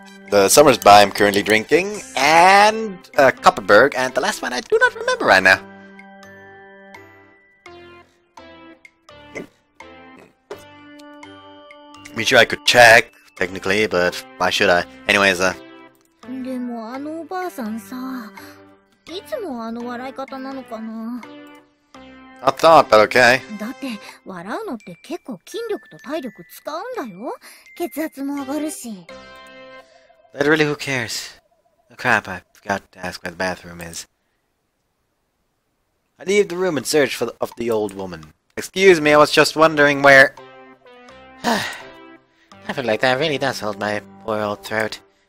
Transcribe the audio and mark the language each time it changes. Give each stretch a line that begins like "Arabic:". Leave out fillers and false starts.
English: The Summersby I'm currently drinking, and a Kopperberg, and the last one I do not remember right now. I'm sure I could check, technically, but why should I? Anyways,
Japanese: でもあのおばあさんさ、いつもあの笑い方なのかな。
English: I thought, but okay.
Japanese: だって笑うのって結構筋力と体力使うんだよ。血圧も上がるし。
English: Literally, who cares? Oh crap, I forgot to ask where the bathroom is. I leave the room in search for the, of the old woman. Excuse me, I was just wondering where... Nothing like that really does hold my poor old throat.